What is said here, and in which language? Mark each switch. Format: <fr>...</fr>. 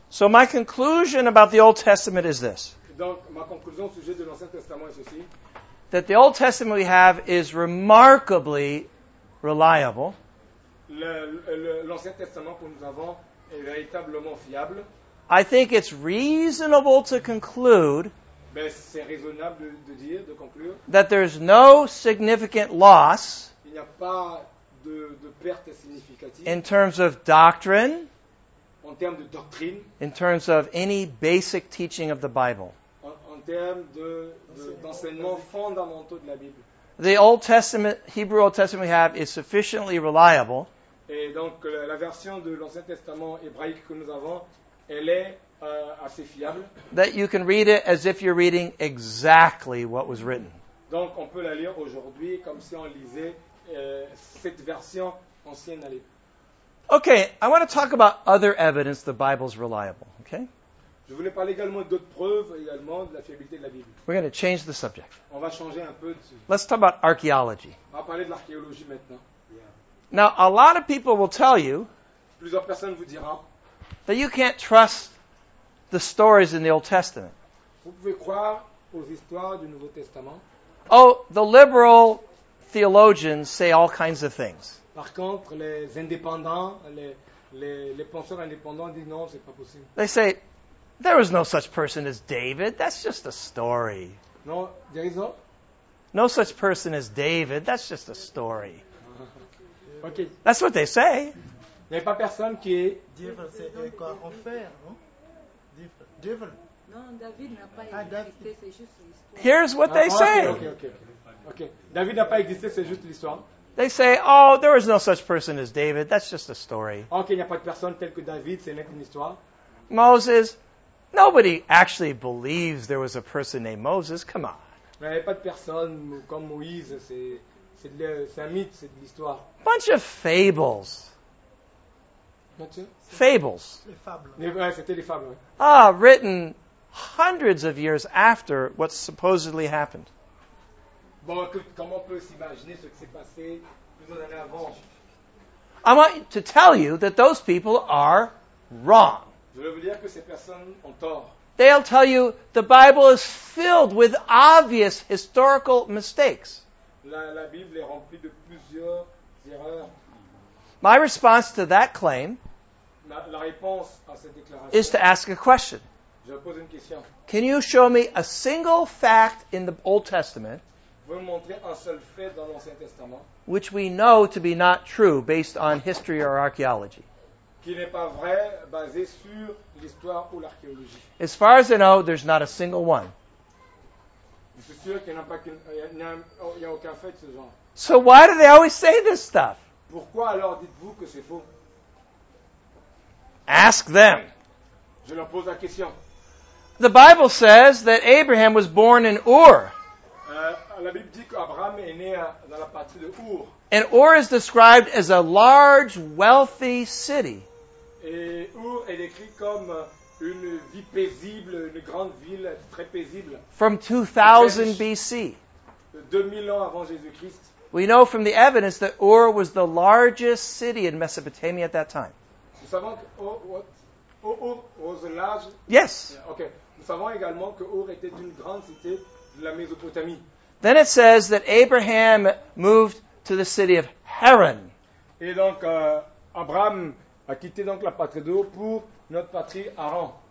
<en>So my conclusion about the Old Testament is this.</en> <fr>Donc ma conclusion au sujet de l'Ancien Testament est ceci.</fr> <en>That the Old Testament we have is remarkably reliable.</en> <fr>L'Ancien Testament que nous avons est véritablement fiable.</fr> <en>I think it's reasonable to conclude</en> <fr>c'est raisonnable de conclure</fr> <en>that there's no significant loss</en> <fr>il n'y a pas de perte significative</fr> <en>in terms of doctrine,</en> <fr>en termes de doctrine,</fr> <en>in terms of any basic teaching of the Bible.</en> <fr>En termes d'enseignements fondamentaux de la Bible.</fr> <en>The Old Testament, Hebrew Old Testament we have is sufficiently reliable.</en> <fr>Et donc la version de l'Ancien Testament hébraïque que nous avons, elle est assez fiable.</fr> <en>That you can read it as if you're reading exactly what was written.</en> <fr>Donc on peut la lire aujourd'hui comme si on lisait cette version ancienne à l'époque.</fr> <en>Okay, I want to talk about other evidence the Bible's reliable, okay?</en> <fr>Je voulais parler également d'autres preuves également de la fiabilité de la Bible.</fr> <en>We're going to change the subject.</en> <fr>On va changer un peu de sujet.</fr> <en>Let's talk about archaeology.</en> <fr>On va parler de l'archéologie maintenant.</fr> <en>Now, a lot of people will tell you</en> <fr>plusieurs personnes vous diront</fr> <en>that you can't trust the stories in the Old Testament.</en> <fr>Vous pouvez croire aux histoires du Nouveau Testament.</fr> <en>Oh, the liberal theologians say all kinds of things.</en> <fr>Par contre, les indépendants, les penseurs indépendants disent non, c'est pas possible.</fr> <en>They say, there was no such person as David. That's just a story. Non, there is not. No such person as David. That's just a story. Okay. That's what they say.</en> <fr>Il n'y a pas personne qui est... Dieu, c'est quoi en faire, non? Dieu. Non, David n'a pas existé, c'est juste l'histoire.</fr> <en>Here's what they say.</en> <fr>Okay. David n'a pas existé, c'est juste l'histoire.</fr> <en>They say, oh, there is no such person as David. That's just a story.</en> <fr>Okay, il n'y a pas de personne telle que David, c'est n'est qu'une histoire.</fr> <en>Moses, nobody actually believes there was a person named Moses. Come on.</en> <fr>Il n'y a pas de personne comme Moïse, c'est un mythe, c'est de l'histoire.</fr> <en>Bunch of fables. Fables.</en> <fr>Les fables.</fr> <en>Ah, written hundreds of years after what supposedly happened.</en> <fr>Bon, écoute, comment on peut s'imaginer ce qui s'est passé plusieurs années avant?</fr> <en>I want to tell you that those people are wrong.</en> <fr>Je veux vous dire que ces personnes ont tort.</fr> <en>They'll tell you the Bible is filled with obvious historical mistakes.</en> <fr>La Bible est remplie de plusieurs erreurs.</fr> <en>My response to that claim</en> <fr>la réponse à cette déclaration</fr> <en>is to ask a question.</en> <fr>Je pose une question.</fr> <en>Can you show me a single fact in the Old Testament,</en> <fr>vous montrez un seul fait dans l'Ancien Testament</fr> <en>which we know to be not true based on history or archaeology?</en> <fr>Qui n'est pas vrai basé sur l'histoire ou l'archéologie.</fr> <en>As far as I know, there's not a single one.</en> <fr>Je suis sûr qu'il n'y a aucun fait de ce genre.</fr> <en>So why do they always say this stuff?</en> <fr>Pourquoi alors dites-vous que c'est faux?</fr> <en>Ask them.</en> <fr>Je leur pose la question.</fr> <en>The Bible says that Abraham was born in Ur.</en> <fr>La Bible dit qu'Abraham est né dans la partie de Ur.</fr> <en>And Ur is described as a large, wealthy city.</en> <fr>Et Ur est décrit comme une ville paisible, une grande ville très paisible.</fr> <en>From 2000 BC.</en> <fr>2000 ans avant Jésus-Christ.</fr> <en>We know from the evidence that Ur was the largest city in Mesopotamia at that time.</en> <fr>Nous savons que Ur</fr> <en>was a large... Yes. Okay.</en> <fr>Nous savons également que Ur était une grande cité de la Mésopotamie.</fr> <en>Then it says that Abraham moved to the city of Haran.</en> <fr>Et donc, Abraham a quitté donc la patrie d'Ur pour notre patrie Haran.</fr>